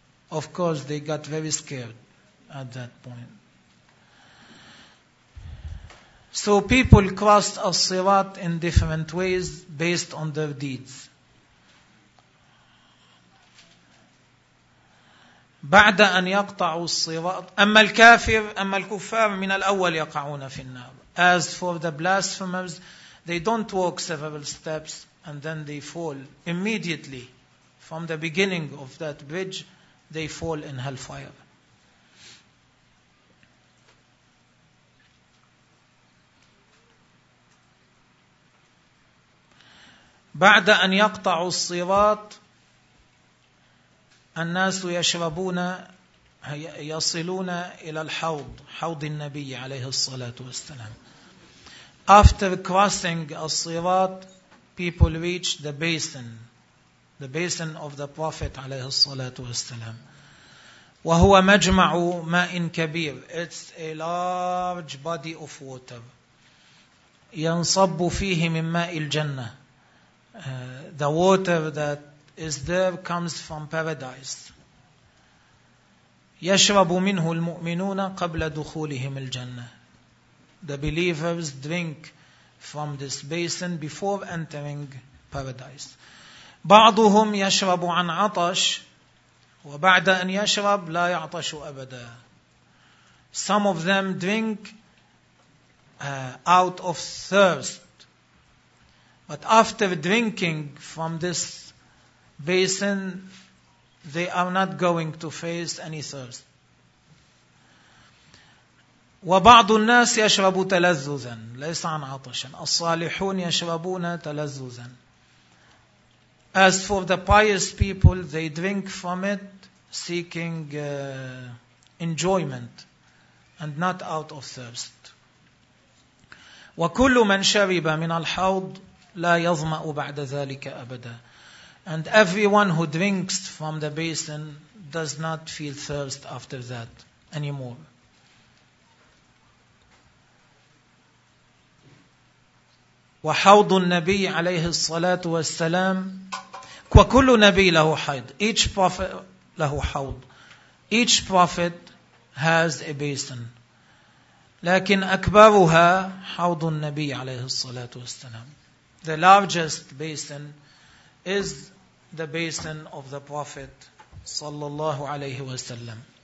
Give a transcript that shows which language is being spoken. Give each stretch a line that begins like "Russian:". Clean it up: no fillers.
English: Of course, they got very scared at that point. So people crossed al-sirat in different ways based on their deeds.
Arabic: بعد أن يقطعوا الصراط أما الكافر أما الكفار من الأول يقعون في النار.
English: As for the blasphemers, they don't walk several steps and then they fall immediately. From the beginning of that bridge, they fall in hellfire.
Arabic: بعد أن يقطعوا الصراط الناس يشربون يصلون إلى الحوض حوض النبي عليه الصلاة والسلام.
English: After crossing الصراط, people reach the basin of the Prophet
Arabic: عليه الصلاة والسلام. وهو مجمع ماء كبير.
English: It's a large body of water.
Arabic: ينصب فيه من ماء الجنة.
English: The water that is there comes from paradise.
Arabic: يشرب منه المؤمنون قبل دخولهم الجنة.
English: The believers drink from this basin before entering paradise.
Arabic: بعضهم يشرب عن عطش وبعد أن يشرب لا يعطش أبدا.
English: Some of them drink out of thirst. But after drinking from this basin, they are not going to face any thirst.
Arabic: وبعض الناس يشرب تلذذا ليس عن عطشا. الصالحون يشربون تلذذا.
English: As for the pious people, they drink from it seeking enjoyment and not out of thirst.
Arabic: وكل من شرب من الحوض لا يظمأ بعد ذلك أبدا.
English: And everyone who drinks from the basin does not feel thirst after that anymore.
Arabic: وحوض النبي عليه الصلاة والسلام وكل نبي له حوض.
English: Each prophet
Arabic: له حوض.
English: Each prophet has a basin.
Arabic: لكن أكبرها حوض النبي عليه الصلاة والسلام.
English: The largest basin is the basin of the Prophet
Arabic: صلى الله عليه وسلم.